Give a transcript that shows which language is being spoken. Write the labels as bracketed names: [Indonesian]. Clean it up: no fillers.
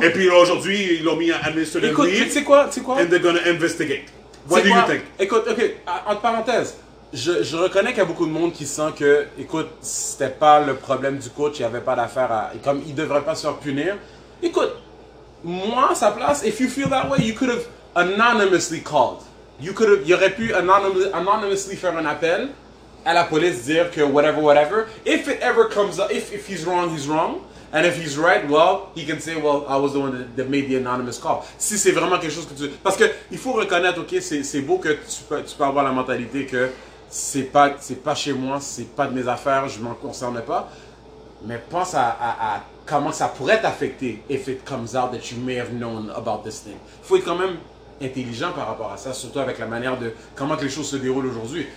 [French] Et puis aujourd'hui, ils l'ont mis à [English] administrative leave. [French] Écoute, tu sais quoi? [English] And they're going to investigate. What do you think? [French] Écoute, ok, entre parenthèses, je reconnais qu'il y a beaucoup de monde qui sent que, écoute, c'était pas le problème du coach, il n'y avait pas d'affaire à. Comme il ne devrait pas se faire punir. Écoute, moi, à sa place, [English] if you feel that way, you could have anonymously called. [French] Il aurait pu anonymously faire un appel à la police, dire que whatever, whatever. [English] If it ever comes up, if he's wrong, he's wrong. And if he's right, well, he can say, well, I was the one that made the anonymous call. [French] Si c'est vraiment quelque chose que tu... Parce qu'il faut reconnaître, OK, c'est beau que tu peux avoir la mentalité que c'est pas chez moi, c'est pas de mes affaires, je m'en concerne pas. Mais pense à comment ça pourrait t'affecter [English] if it comes out that you may have known about this thing. [French] Il faut être quand même intelligent par rapport à ça, surtout avec la manière de comment que les choses se déroulent aujourd'hui.